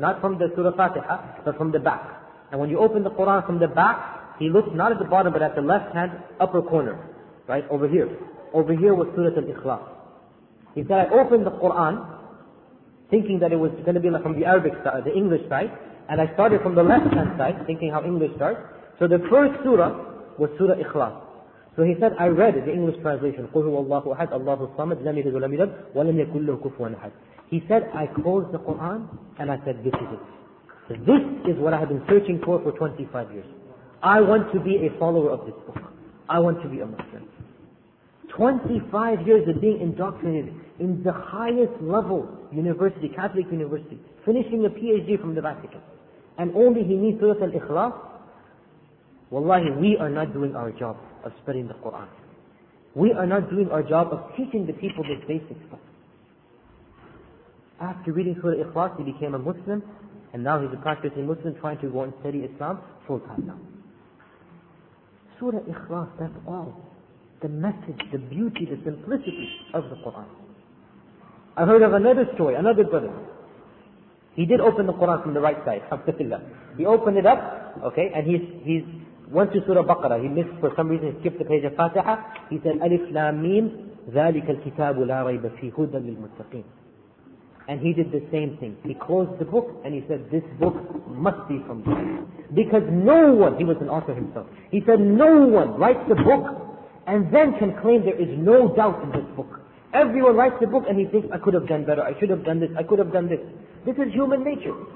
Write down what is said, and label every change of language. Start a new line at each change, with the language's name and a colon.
English: Not from the Surah Fatiha, but from the back. And when you open the Quran from the back, he looks not at the bottom, but at the left-hand upper corner, right? Over here. Over here was Surah Al-Ikhlas. He said, I opened the Quran thinking that it was going to be like from the Arabic side, the English side, and I started from the left hand side, thinking how English starts. So the first surah was Surah Ikhlas. So he said, I read the English translation,
Arabic: قُلْ هُوَ اللَّهُ أَحَدْ اللَّهُ الصَّمَدُ لَمْ يَلِدْ وَلَمْ يُولَدْ وَلَمْ يَكُنْ لَهُ كُفُوًا أَحَدٌ.
English: He said, I closed the Quran and I said, this is it. This is what I have been searching for 25 years. I want to be a follower of this book. I want to be a Muslim. 25 years of being indoctrinated in the highest level university, Catholic university, finishing a PhD from the Vatican. And only he needs Surah Al-Ikhlas. Wallahi, we are not doing our job of spreading the Quran. We are not doing our job of teaching the people this basic stuff. After reading Surah Ikhlas, he became a Muslim, and now he's a practicing Muslim trying to go and study Islam full time now. Surah Ikhlas, that's all. The message, the beauty, the simplicity of the Quran. I heard of another story, another brother. He did open the Quran from the right side, alhamdulillah. He opened it up, okay, and he's went to Surah Baqarah. He missed, for some reason, he skipped the page of Fatiha. He said,
Arabic: Alif Lam Mim, ذَلِكَ الْكِتَابُ لَا رَيْبَ فِي هُدًى لِلْمُتَّقِينَ.
English: And he did the same thing. He closed the book and he said, this book must be from God. Because no one, he was an author himself, he said, no one writes the book and then can claim there is no doubt in this book. Everyone writes the book and he thinks, I could have done better, I should have done this, I could have done this. This is human nature.